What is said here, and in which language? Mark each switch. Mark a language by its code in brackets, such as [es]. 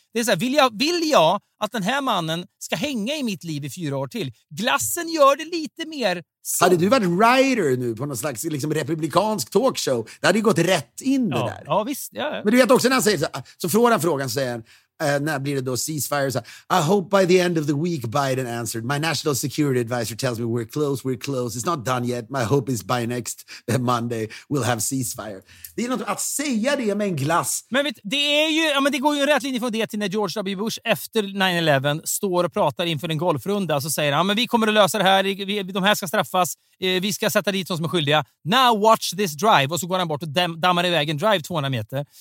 [sv] Det är så här, vill jag att den här mannen ska hänga i mitt liv i 4 år till? Glassen gör det lite mer. Så. Hade du varit writer nu på någon slags liksom republikansk talkshow, det hade ju gått rätt in det där. Ja, visst. Ja. Men du vet också när han säger så får han frågan, säger han, när blir det då ceasefire? [en] Så, I hope by the end of the week Biden answered. My national security advisor tells me we're close. It's not done yet. My hope is by next Monday we'll have ceasefire. [sv] Det är något att säga det med en glass. Men vet, det är ju, ja, men det går ju rätt linje från det till när George W. Bush efter 9/11 står och pratar inför en golfrunda och så säger han, ja, men vi kommer att lösa det här. De här ska straffas. Vi ska sätta dit de som är skyldiga. [en] Now watch this drive. [sv] Och så går han bort och dammar iväg en drive 200 meter.